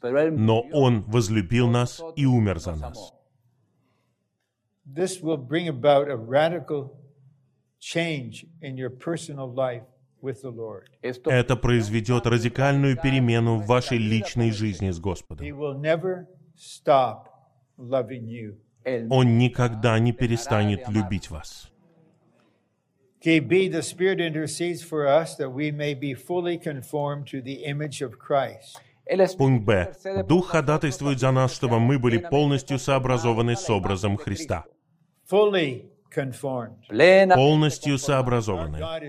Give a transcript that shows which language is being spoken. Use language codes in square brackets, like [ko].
[ru] Но Он возлюбил нас и умер за нас. [en] This will bring about a radical change in your personal life with the Lord. [ru] Это произведет радикальную перемену в вашей личной жизни с Господом. [en] He will never stop loving you. [ru] Он никогда не перестанет любить вас. [en] KB, the Spirit intercedes for us that we may be fully conformed to the image of Christ. [ru] Пункт Б. Дух ходатайствует за нас, чтобы мы были полностью сообразованы с образом Христа. [en] Fully conformed. [ru] Полностью сообразованы.